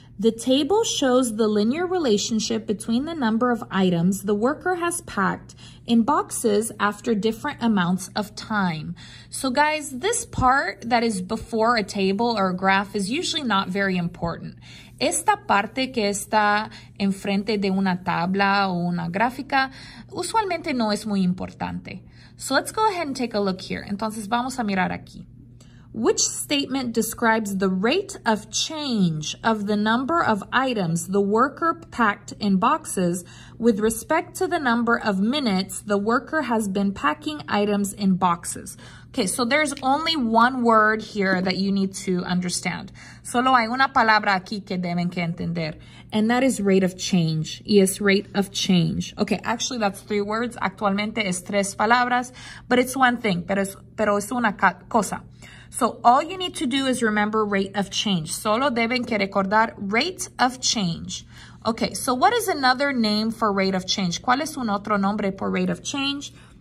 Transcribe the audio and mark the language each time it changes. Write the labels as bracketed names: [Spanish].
[English] The table shows the linear relationship between the number of items the worker has packed in boxes after different amounts of time. So guys, this part that is before a table or a graph is usually not very important. [Spanish] Esta parte que está enfrente de una tabla o una gráfica usualmente no es muy importante. [English] So let's go ahead and take a look here. [Spanish] Entonces vamos a mirar aquí. [English] Which statement describes the rate of change of the number of items the worker packed in boxes with respect to the number of minutes the worker has been packing items in boxes? Okay, so there's only one word here that you need to understand. [Spanish] Solo hay una palabra aquí que deben que entender. [English] And that is rate of change. Yes, rate of change. Okay, actually that's three words. [Spanish] Actualmente es tres palabras. [English] But it's one thing. [Spanish] Pero es una cosa. [English] So all you need to do is remember rate of change. [Spanish] Solo deben que recordar rate of change. [English] Okay, so what is another name for rate of change? [Spanish] ¿Cuál es un otro nombre por rate of change?